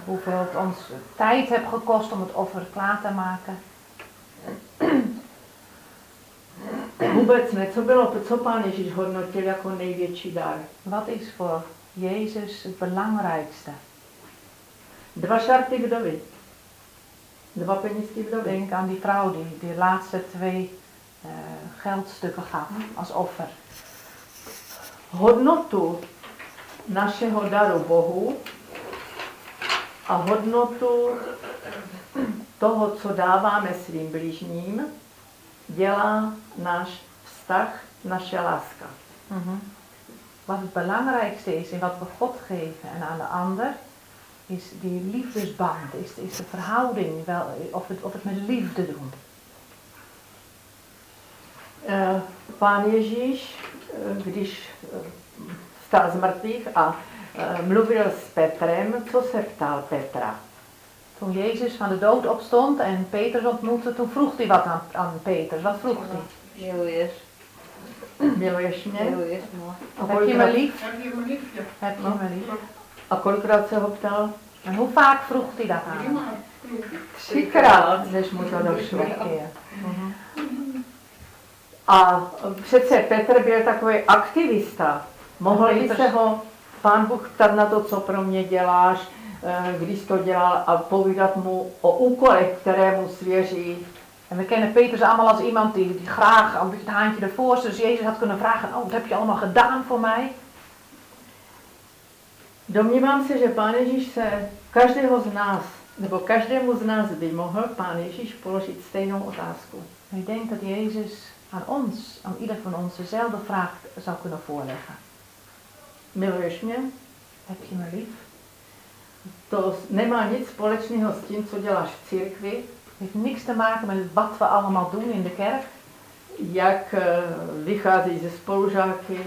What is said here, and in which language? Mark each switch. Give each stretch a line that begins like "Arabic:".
Dutch: Hoeveel het ons tijd heeft gekost om het offer klaar te maken.
Czech: Vůbec ne, co bylo to, co Pán Ježíš hodnotil jako největší dar.
Dutch: Wat is voor Jezus het belangrijkste?
Czech: Dva šarty vdovy. Dva penízky vdovy.
Dutch: Denk aan die vrouw die de laatste twee geldstukken gaf als offer.
Czech: Hodnotu našeho daru Bohu a hodnotu toho, co dáváme svým blížním, dělá náš vztah, naše láska.
Dutch: Wat het belangrijkste is in wat we God geven en aan de ander, is die liefdesband, is de verhouding, wel, of het met liefde doen.
Czech: Pán Ježíš, když vstal z mrtvých a mluvil s Petrem, co se ptal Petra?
Dutch: Toen Jezus van de dood opstond en Petrus ontmoette, toen vroeg hij wat aan Petrus. Wat vroeg hij?
Czech: Miluješ. Miluješ mě? Miluješ
Dutch: mě. Heb je me lief? Heb je me lief,
Czech: A kolikrát se ho ptal?
Dutch: En hoe vaak vroeg hij dat aan?
Czech: Třikrát, než mu to došlo. A přece Petr byl takový aktivista. Mohl by se ho Pán Bůh ptat na to, co pro mě děláš, když to dělal a povídat mu o úkolech, které mu svěří.
Dutch: En we kennen Petrus allemaal als iemand die graag een beetje het haantje ervoor is. Dus Jezus had kunnen vragen, oh, wat heb je allemaal gedaan voor mij?
Czech: Domnívám se, že Pán Ježíš se každého z nás, nebo každému z nás by mohl Pán Ježíš položit stejnou otázku.
Dutch: Ik denk dat Jezus aan ons, aan ieder van ons, dezelfde vraag zou kunnen voorleggen.
Czech: Miluješ mě?
Dutch: Heb je me lief?
Czech: To nemá nic společného s tím, co děláš v církvi.
Dutch: Heeft niks te maken met wat we allemaal doen in de kerk.
Czech: Jak vychází ze spolužáky.